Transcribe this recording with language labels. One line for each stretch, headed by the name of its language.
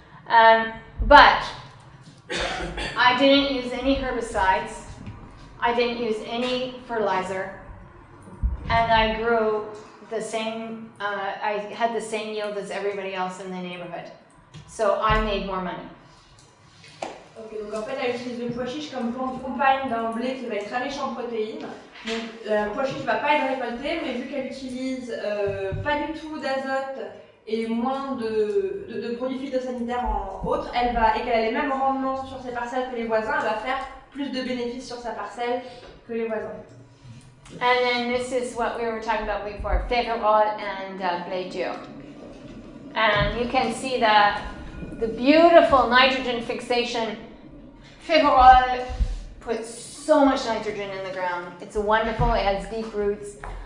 English: But I didn't use any herbicides, I didn't use any fertilizer, and I grew the same, I had the same yield as everybody else in the neighborhood. So I made more money.
French: Okay, donc en fait, elle utilise le pois chiche comme plante compagne d'un blé qui va être très riche en protéines. Donc le pois chiche ne va pas être récolté, mais vu qu'elle utilise pas du tout d'azote et moins de produits phytosanitaires en autre, elle va, et qu'elle a les mêmes rendements sur ses parcelles que les voisins, elle va faire plus de bénéfices sur sa parcelle que les voisins.
English: And then this is what we were talking about before, Féverol and blé dur. And you can see that the beautiful nitrogen fixation. Féverol puts so much nitrogen in the ground. It's wonderful, it has deep roots.